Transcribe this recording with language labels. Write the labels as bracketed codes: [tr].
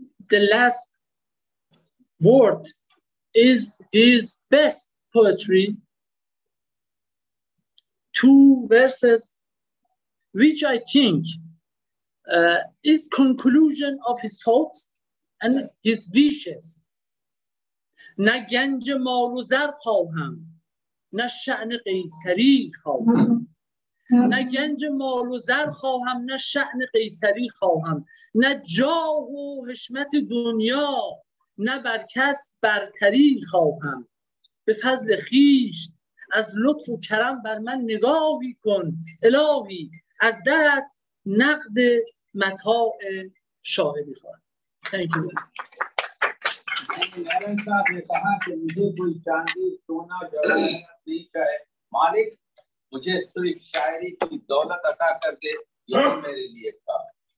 [en] The last word is his best poetry, two verses, which I think is conclusion of his thoughts and his wishes. [fa] نه گنج مال و زر خواهم نه شأن قیصری خواهم نه گنج مال و زر خواهم نه شأن قیصری خواهم نه جاه و حشمت دنیا نه بر کس برتری خواهم به فضل خیش از لطف و کرم بر من نگاهی کن الهی از درت نقد متاع شاهدی خواهم. [en] Thank you. [hi] Narayan साहब ने कहा कि मुझे कोई चांदी सोना जवाहरात नहीं चाहिए, मालिक मुझे सिर्फ शायरी की दौलत अता कर दे, ये मेरे लिए काफी.